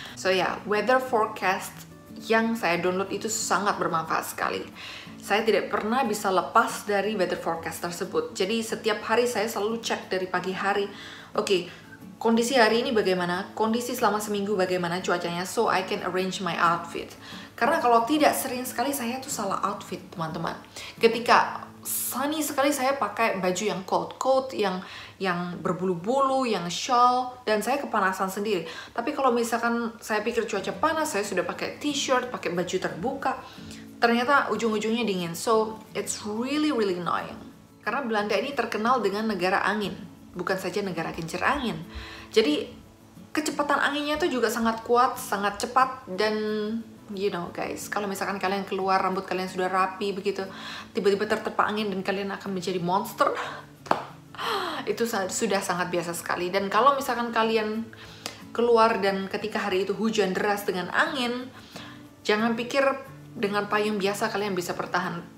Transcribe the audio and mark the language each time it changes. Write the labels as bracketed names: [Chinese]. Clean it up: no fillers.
[Indonesian] So ya, weather forecast yang saya download itu sangat bermanfaat sekali. Saya tidak pernah bisa lepas dari weather forecast tersebut. Jadi setiap hari saya selalu cek dari pagi hari. Okay, kondisi hari ini bagaimana? Kondisi selama seminggu bagaimana cuacanya? [English] So I can arrange my outfit. [Indonesian] Karena kalau tidak, sering sekali saya tuh salah outfit, teman-teman. Ketika sunny sekali saya pakai baju yang coat yang berbulu-bulu, yang shawl, dan saya kepanasan sendiri. Tapi kalau misalkan saya pikir cuaca panas, saya sudah pakai t-shirt, pakai baju terbuka, ternyata ujung-ujungnya dingin. [English] So it's really really annoying. [Indonesian] Karena Belanda ini terkenal dengan negara angin, bukan saja negara kincir angin. Jadi kecepatan anginnya tuh juga sangat kuat, sangat cepat. Dan [English] you know guys, [Indonesian] kalau misalkan kalian keluar, rambut kalian sudah rapi begitu, tiba-tiba terterpa angin dan kalian akan menjadi monster. Itu sudah sangat biasa sekali. Dan kalau misalkan kalian keluar dan ketika hari itu hujan deras dengan angin, jangan pikir dengan payung biasa kalian bisa bertahan.